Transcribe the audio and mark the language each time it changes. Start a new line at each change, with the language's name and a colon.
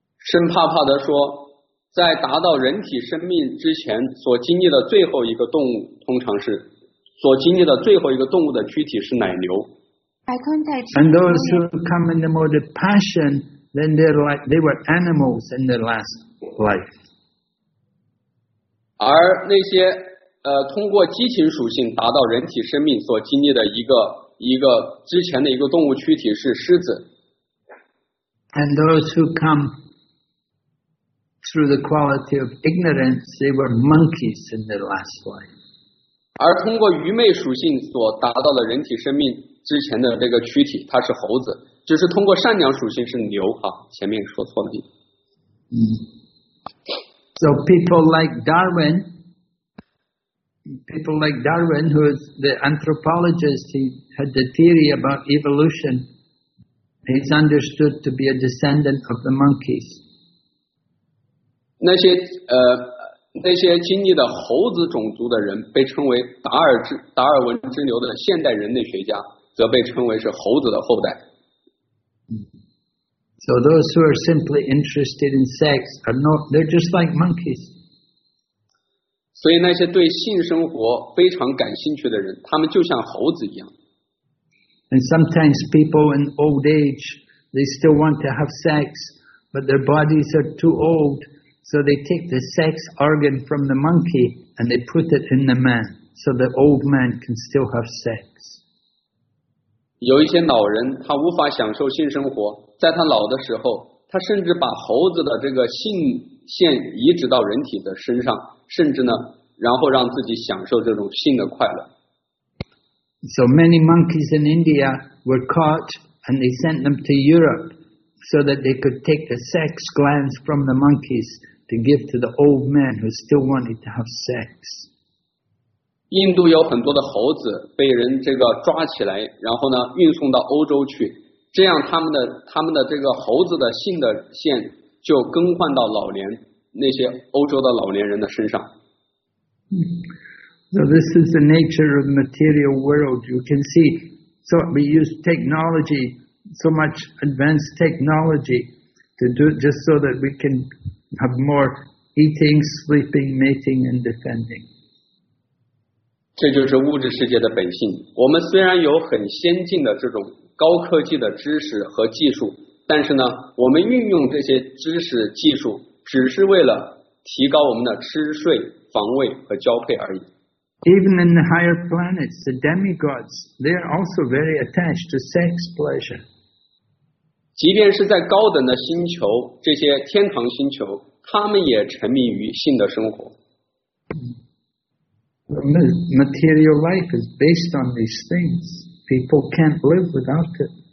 Chinese: 深帕帕德说，在达到人体生命之前所经历的最后一个动物，通常是所经历的最后一个动物的躯体是奶牛。
English: And those who come in the mode of passion, then they're like they were animals in their last life.
Chinese: 而那些通过激情属性达到人体生命所经历的一个之前的一个动物躯体是狮子。
English: And those who come through the quality of ignorance, they were monkeys in their last life.
Chinese: 而通过愚昧属性所达到的人体生命之前的这个躯体它是猴子，只是通过善良属性是牛啊，前面说错了。
English: So people like Darwin, who is the anthropologist, he had the theory about evolution. He's understood to be a descendant of the monkeys.
Chinese: 那些经历的猴子种族的人被称为达尔文之流的现代人类学家，则被称为是猴子的后代。
English: So those who are simply interested in sex are not—they're just like monkeys.
Chinese: 所以那些对性生活非常感兴趣的人，他们就像猴子一样。
English: And sometimes people in old age, they still want to have sex, but their bodies are too old, so they take the sex organ from the monkey and they put it in the man, so the old man can still have sex.
Chinese: 有一些老人他无法享受性生活，在他老的时候，他甚至把猴子的这个性腺移植到人体的身上，甚至呢，然后让自己享受这种性的快乐。
English: So many monkeys in India were caught and they sent them to Europe so that they could take the sex glands from the monkeys to give to the old men who still wanted to have sex.
Chinese: 印度有很多的猴子被人这个抓起来，然后呢运送到欧洲去，这样他们的这个猴子的性的腺就更换到老年那些欧洲的老年人的身上。
English: So this is the nature of the material world, you can see. So we use technology, so much advanced technology, to do it just so that we can have more eating, sleeping, mating, and defending.
Chinese: 这就是物质世界的本性。我们虽然有很先进的这种高科技的知识和技术，但是呢，我们运用这些知识技术只是为了提高我们的吃睡、防卫和交配而已。
English: Even in the higher planets, the demigods, they are also very attached to sex pleasure.
Chinese: 即便是在高等的星球，这些天堂星球，他们也沉迷于性的生活。
English: Material life is based on these things. People can't live without it.